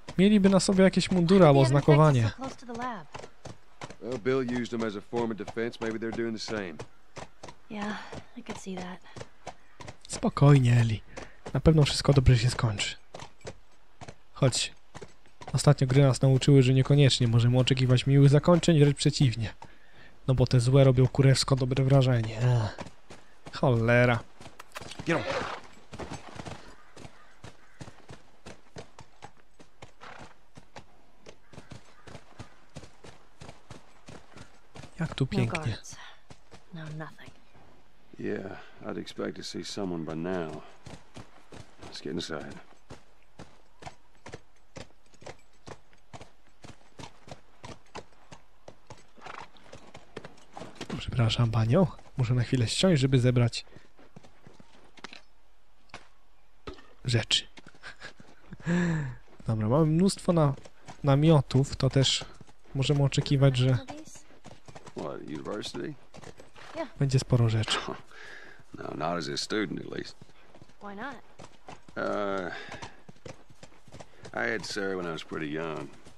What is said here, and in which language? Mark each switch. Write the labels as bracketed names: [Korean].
[Polish] Mieliby na sobie jakieś mundury albo oznakowanie. [English] Well, Bill used them as a form of defense. Maybe they're doing the same. Yeah, I could see that. [Polish] Spokojnie, Ellie. Na pewno wszystko dobrze się skończy. Chodź. Ostatnio gry nas nauczyły, że niekoniecznie możemy oczekiwać miłych zakończeń, wręcz przeciwnie. No bo te złe robią kurewsko dobre wrażenie. Cholera. [English] Get him. [Polish] Jak tu pięknie. [English] Yeah, I'd expect to see someone by now. Let's get inside. [Polish] Przepraszam panią, muszę na chwilę ściąć, żeby zebrać rzeczy. Dobra, mamy mnóstwo namiotów, to też możemy oczekiwać, że [English] what, university? [Polish] Yeah. Będzie sporo rzeczy. [English] No, not as a student, at least. Why not? I had Sarah when I was pretty young.